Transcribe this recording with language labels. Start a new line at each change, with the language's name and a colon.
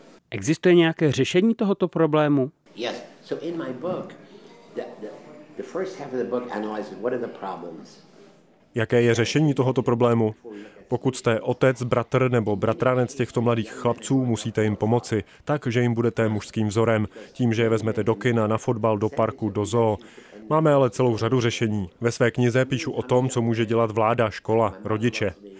Czech: Existuje nějaké řešení tohoto problému?
English: Yes. So in my book, the first half of the book analyzes what are the problems.
Czech: Jaké je řešení tohoto problému? Pokud jste otec, bratr nebo bratranec těchto mladých chlapců, musíte jim pomoci, tak, že jim budete mužským vzorem, tím, že je vezmete do kina, na fotbal, do parku, do zoo. Máme ale celou řadu řešení. Ve své knize píšu o tom, co může dělat vláda, škola, rodiče.